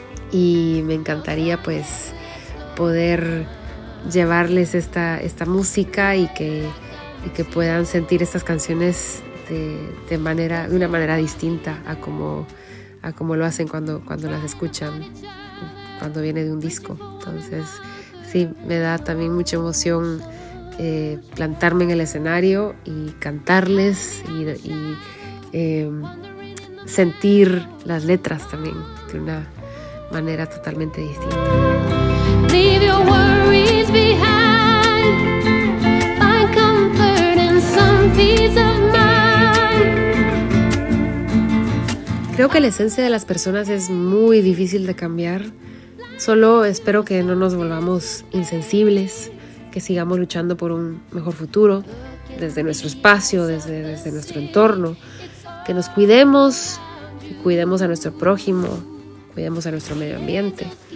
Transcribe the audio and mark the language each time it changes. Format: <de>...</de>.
<es>Y me encantaría pues poder llevarles esta música y que puedan sentir estas canciones de una manera distinta a como lo hacen cuando las escuchan, cuando viene de un disco. Entonces sí, me da también mucha emoción plantarme en el escenario y cantarles y sentir las letras también de una manera totalmente distinta.</es> <en>Leave your worries behind. Find comfort in some peace of mind.</en> <es>Creo que la esencia de las personas es muy difícil de cambiar. Solo espero que no nos volvamos insensibles, que sigamos luchando por un mejor futuro, desde nuestro espacio, desde nuestro entorno, que nos cuidemos, y cuidemos a nuestro prójimo, cuidemos a nuestro medio ambiente.</es>